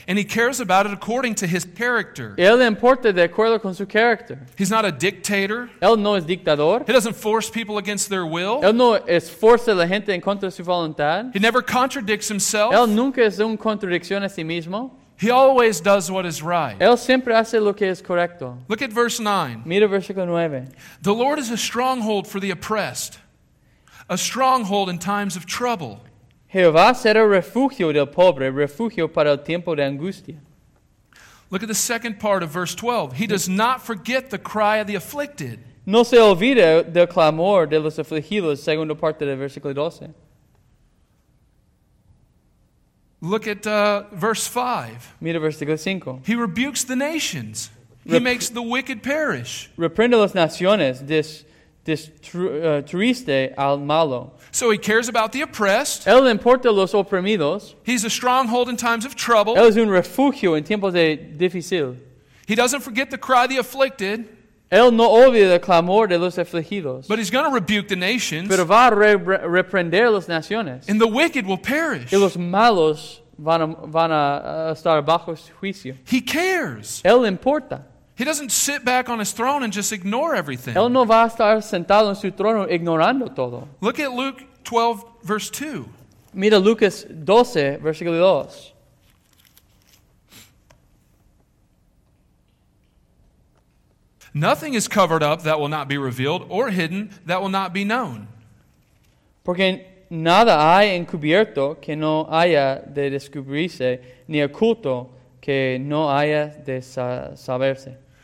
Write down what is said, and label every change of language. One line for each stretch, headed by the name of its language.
English: And He cares about it according to His character.
Spanish: Él le importa de acuerdo con su carácter.
English: He's not a dictator.
Spanish: Él no es dictador.
English: He doesn't force people against their will.
Spanish: Él no es fuerza a la gente en contra de su voluntad.
English: He never contradicts Himself.
Spanish: Él nunca es una contradicción a sí mismo.
English: He always does what is right.
Spanish: Él siempre hace lo que es correcto.
English: Look at verse 9.
Spanish: Mira versículo 9.
English: The Lord is a stronghold for the oppressed, a stronghold in times of trouble.
Spanish: Jehová será refugio del pobre, refugio para el tiempo de angustia.
English: Look at the second part of verse 12. He does not forget the cry of the afflicted.
Spanish: No se olvida del clamor de los afligidos, segunda parte del versículo 12.
English: Look at verse 5.
Spanish: Mira versículo 5.
English: He rebukes the nations. He makes the wicked perish.
Spanish: Reprende las naciones, destruiste al malo.
English: So He cares about the oppressed.
Spanish: Él le importa los oprimidos.
English: He's a stronghold in times of trouble.
Spanish: Él es un refugio en tiempos de difícil.
English: He doesn't forget the cry of the afflicted.
Spanish: Él no olvida el clamor de los afligidos.
English: But He's going to rebuke the nations.
Spanish: Pero va a reprender las naciones.
English: And the wicked will perish.
Spanish: Y los malos van a estar bajo su juicio.
English: He cares.
Spanish: Él le importa.
English: He doesn't sit back on His throne and just ignore everything.
Spanish: Él no va a estar sentado en su trono ignorando todo.
English: Look at Luke 12, verse 2.
Spanish: Mira Lucas 12, versículo 2.
English: Nothing is covered up that will not be revealed, or hidden that will not be known.
Spanish: Porque nada hay encubierto que no haya de descubrirse, ni oculto que no haya de saberse.